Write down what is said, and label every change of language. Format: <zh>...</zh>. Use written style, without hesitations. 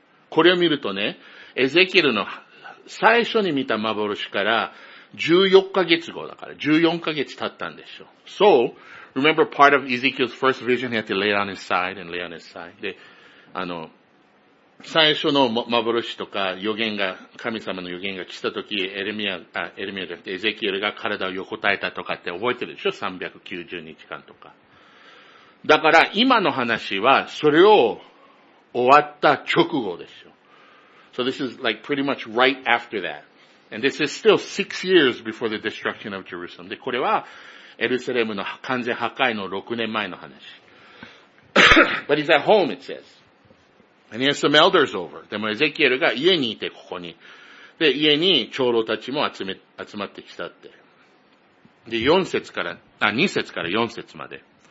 <ja>これを見るとね、エゼキエルの最初に見た幻から14ヶ月後だから、14ヶ月経ったんでしょう。</ja> <en>So, remember part of Ezekiel's first vision, he had to lay on his side and lay on his side.</en> <ja>で、最初の幻とか予言が、神様の予言が来た時、エゼキエルが体を横たえたとかって覚えてるでしょ ?390 日間とか。だから今の話はそれを終わった直後ですよ。</ja> <en>So this is like pretty much right after that. And this is still 6 years before the destruction of Jerusalem.</en> <ja>で、これはエルサレムの完全破壊の6年前の話。</ja> <en>But he's at home, it says. And he has some elders over.</en> <ja>でもエゼキエルが家にいて、ここに。で、家に長老たちも集まってきたって。で、2節から4節まで。</ja>